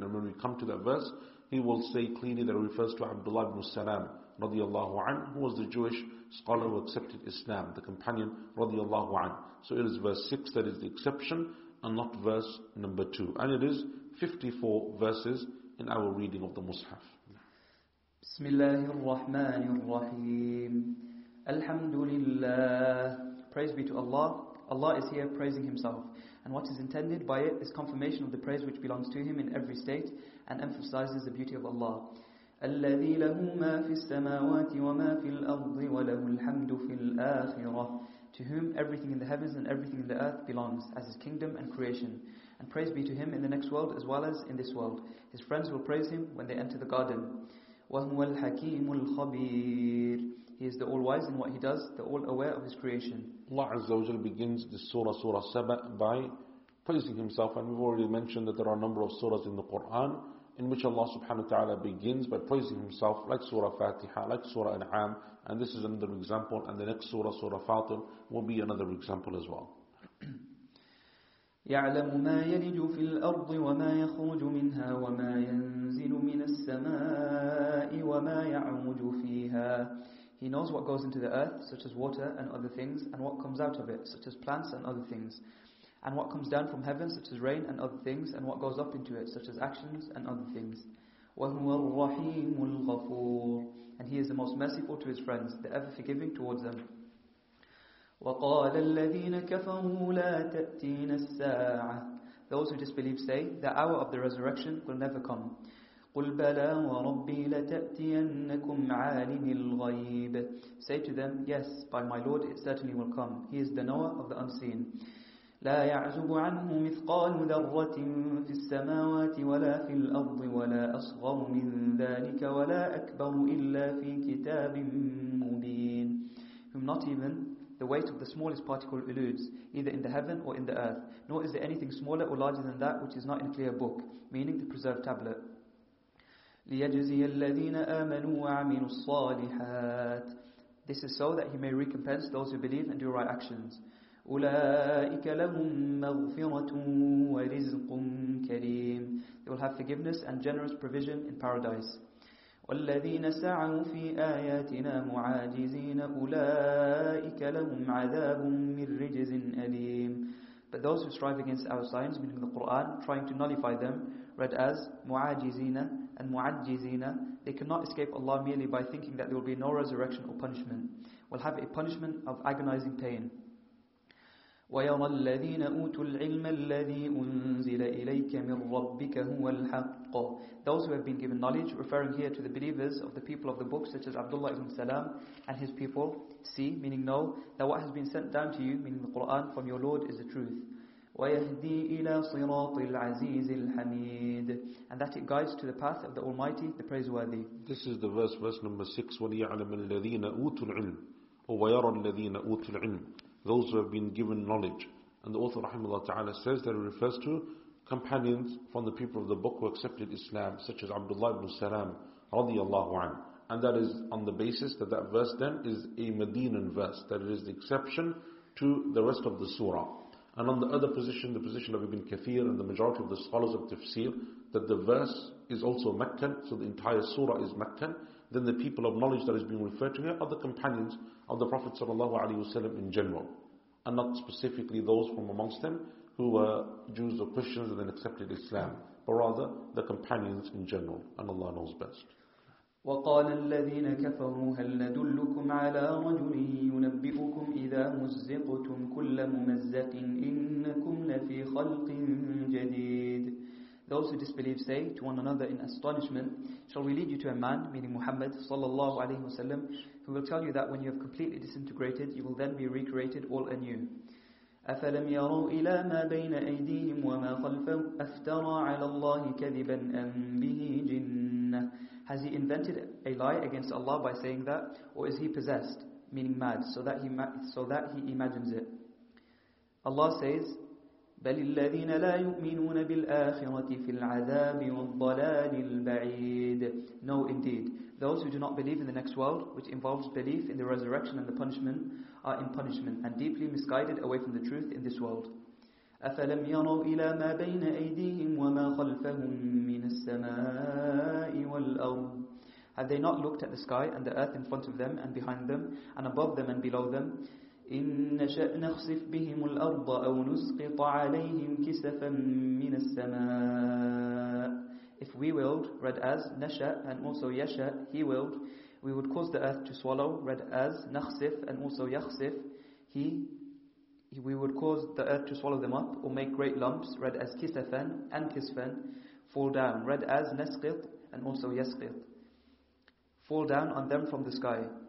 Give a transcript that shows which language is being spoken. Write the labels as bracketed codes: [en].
[en] And when we come to that verse, he will say clearly that it refers to Abdullah ibn Salam radiyallahu anhu, who was the Jewish scholar who accepted Islam, the companion radiyallahu anhu. So it is verse 6 that is the exception and not verse number 2. And it is 54 verses in our reading of the Mus'haf. [ar] بسم الله الرحمن الرحيم الحمد لله. [en] Praise be to Allah. Allah is here praising Himself. And what is intended by it is confirmation of the praise which belongs to Him in every state and emphasizes the beauty of Allah. [ar] الذي له ما في السماوات وما في الأرض وله الحمد في الآخرة. [en] To whom everything in the heavens and everything in the earth belongs as His kingdom and creation. And praise be to Him in the next world as well as in this world. His friends will praise Him when they enter the garden. [ar] وهو الحكيم الخبير. [en] He is the all-wise in what he does, the all-aware of his creation. Allah Azza wa Jal begins this surah, Surah 7, by praising Himself. And we've already mentioned that there are a number of surahs in the Quran in which Allah subhanahu wa ta'ala begins by praising Himself, like Surah Fatiha, like Surah An'am, and this is another example, and the next Surah, Surah Fatir, will be another example as well. [ar] يعلم ما يلج في الأرض وما يخرج منها وما ينزل من السماء وما يعرج فيها. [en] He knows what goes into the earth, such as water and other things, and what comes out of it, such as plants and other things, and what comes down from heaven, such as rain and other things, and what goes up into it, such as actions and other things. [ar] وهو الرحيم الغفور. [en] And He is the most merciful to His friends, the ever forgiving towards them. [ar] وقال الذين كفروا لا تأتين الساعة. [en] Those who disbelieve say, the hour of the resurrection will never come. [ar] قل بلى وربي لتأتينكم عالم الغيب. [en] Say to them, yes, by my Lord it certainly will come. He is the knower of the unseen. [ar] لا يعزب عنه مثقال ذرة في السماوات ولا في الأرض ولا أصغر من ذلك ولا أكبر إلا في كتاب مبين. [en] Whom not even the weight of the smallest particle eludes, either in the heaven or in the earth. Nor is there anything smaller or larger than that which is not in a clear book, meaning the preserved tablet. [ar] ليجزي الذين آمنوا وعملوا الصالحات. [en] This is so that He may recompense those who believe and do right actions. [ar] أولئك لهم مغفرة ورزق كريم. [en] They will have forgiveness and generous provision in paradise. [ar] والذين سعوا في آياتنا معاجزين أولئك لهم عذاب من رجز أليم. [en] But those who strive against our signs, meaning the Quran, trying to nullify them, read as معاجزين and معجزين, they cannot escape Allah merely by thinking that there will be no resurrection or punishment. Will have a punishment of agonizing pain. [ar] ويرى الذين أوتوا العلم الذي أنزل إليك من ربك هو الحق. [en] Those who have been given knowledge, referring here to the believers of the people of the book, such as Abdullah ibn Salam and his people, see, meaning know, that what has been sent down to you, meaning the Quran, from your Lord is the truth. [ar] ويهدي إلى صراط العزيز الحميد. [en] And that it guides to the path of the Almighty, the Praiseworthy. This is the verse, verse number 6. [ar] وليعلم الذين أوتوا العلم ويرى الذين أوتوا العلم. [en] Those who have been given knowledge. And the author rahimahullah ta'ala says that it refers to companions from the people of the book who accepted Islam, such as Abdullah ibn Salam radiyallahu anhu. And that is on the basis that that verse then is a Medinan verse, that it is the exception to the rest of the surah. And on the other position, the position of Ibn Kathir and the majority of the scholars of tafsir, that the verse is also Meccan, so the entire surah is Meccan. Then the people of knowledge that is being referred to here are the companions of the Prophet ﷺ in general, and not specifically those from amongst them who were Jews or Christians and then accepted Islam, but rather the companions in general, and Allah knows best. [ar] وقال الذين كفروا هل ندلكم على رجل ينبئكم إذا مزقتم كل ممزق إنكم لفي خلق جديد. [en] Those who disbelieve say to one another in astonishment, shall we lead you to a man, meaning Muhammad sallallahu alayhi wa sallam, who will tell you that when you have completely disintegrated, you will then be recreated all anew. [ar] أَفَلَمْ يَرَوْا إِلَى مَا بَيْنَ أَيْدِيهِمْ وَمَا خَلْفَهُمْ أَفْتَرَى عَلَى اللَّهِ كَذِبًا أَمْ بِهِ جِنَّةٌ. [en] Has he invented a lie against Allah by saying that, or is he possessed, meaning mad, so that he imagines it? Allah says, [ar] بل الذين لا يؤمنون بالآخرة في العذاب والضلال البعيد. [en] No, indeed. Those who do not believe in the next world, which involves belief in the resurrection and the punishment, are in punishment and deeply misguided away from the truth in this world. [ar] أَفَلَمْ يَرَوْا إِلَى مَا بَيْنَ أَيْدِيهِمْ وَمَا خَلْفَهُمْ مِنَ السَّمَاءِ وَالْأَرْضِ. [en] Have they not looked at the sky and the earth in front of them and behind them and above them and below them? [ar] إن شئنا نخسف بهم الأرض أو نسقط عليهم كسفا من السماء. [en] If we willed, read as نشاء, and also يشاء, he willed, we would cause the earth to swallow, read as نخسف, and also يخسف, he, we would cause the earth to swallow them up, or make great lumps, read as كسفا and كسفا, fall down, read as نسقط, and also يسقط, fall down on them from the sky.